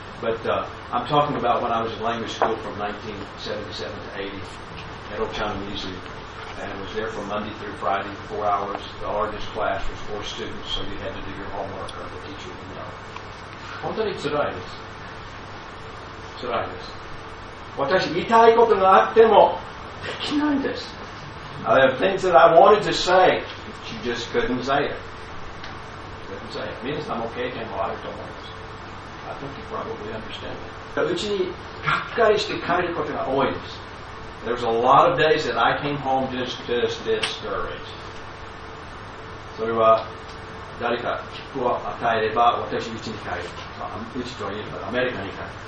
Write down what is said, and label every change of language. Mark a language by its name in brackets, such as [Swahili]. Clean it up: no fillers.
[English] But I'm talking about when I was in language school from 1977 to 80 at Ochanomizu. And it was there from Monday through Friday, 4 hours. The largest class was 4 students, so you had to do your homework or the teacher would know. [Japanese] 本当につらいです。つらいです。私、言いたいことがあっても、できないです。 [English] I have things that I wanted to say, but you just couldn't say it. Couldn't say it. [Japanese] 皆さんも経験もあると思います。 [English] I think you probably understand that. [Japanese] うちに、がっかりして帰ることが多いです。 [English] There was a lot of days that I came home just discouraged. [Japanese] それは誰か切符を与えれば私うちに帰る。うちと言えばアメリカに帰る。